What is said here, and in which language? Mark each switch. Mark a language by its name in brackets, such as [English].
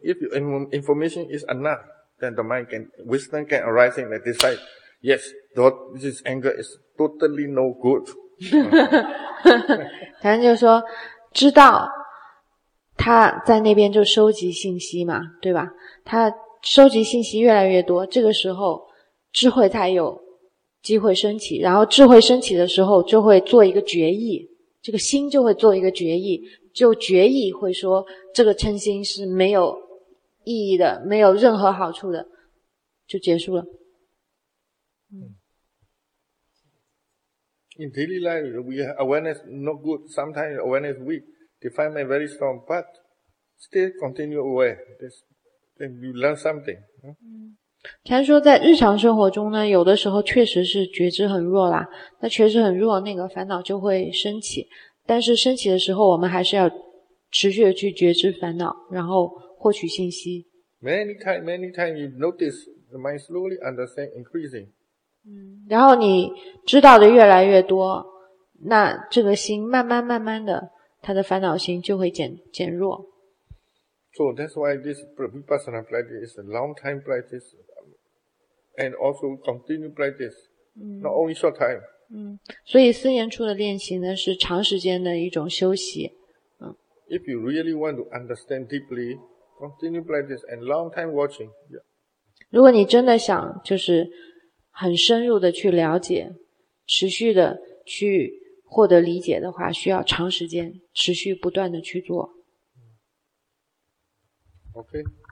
[English] If information is enough, then the mind can, wisdom can arise and decide, yes, this anger is totally no good. [Chinese] 禅师就说知道他在那边就收集信息嘛，对吧，他收集信息越来越多，这个时候智慧才有机会升起，然后智慧升起的时候就会做一个决议，这个心就会做一个决议，就决议会说这个嗔心是没有意义的，没有任何好处的，就结束了。 [English] In daily life, we have awareness not good, sometimes awareness weak, defilement very strong, but still continue aware. Then you learn something. [Chinese] 禅说在日常生活中呢，有的时候确实是觉知很弱啦，那确实很弱，那个烦恼就会升起，但是升起的时候我们还是要持续的去觉知烦恼，然后获取信息。 [English] Many times you notice the mind slowly understand increasing. [Chinese] 然后你知道的越来越多，那这个心慢慢慢慢的，他的烦恼心就会减弱。 [English] So that's why this Vipassana practice is a long time practice, and also continue practice, not only short time. [Chinese] 所以四念处的练习呢是长时间的一种休息。 [English] If you really want to understand deeply, continue practice and long time watching, yeah. [Chinese] 如果你真的想就是很深入的去了解，持续的去获得理解的话，需要长时间持续不断的去做。 [English] OK。